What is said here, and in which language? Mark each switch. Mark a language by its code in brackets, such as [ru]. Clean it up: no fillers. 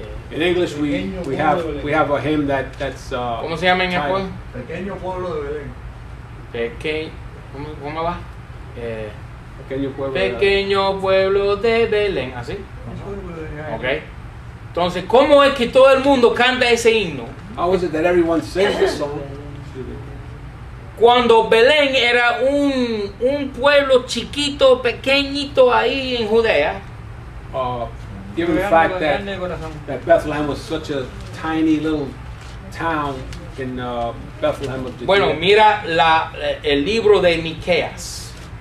[en] In English, we have a hymn that's. [es] ¿Cómo se llama en español? Pequeño pueblo de Belén. ¿Cómo va? Pequeño pueblo de Belén. ¿Así? Okay. Entonces, ¿cómo es que todo el mundo canta ese himno? [en] How is it that everyone sings this song? [es] Cuando Belén era un pueblo chiquito, pequeñito ahí en Judea. [en] Given the fact that Bethlehem was such a tiny little town in Bethlehem of Judea. [es] Bueno, mira el libro de Miqueas.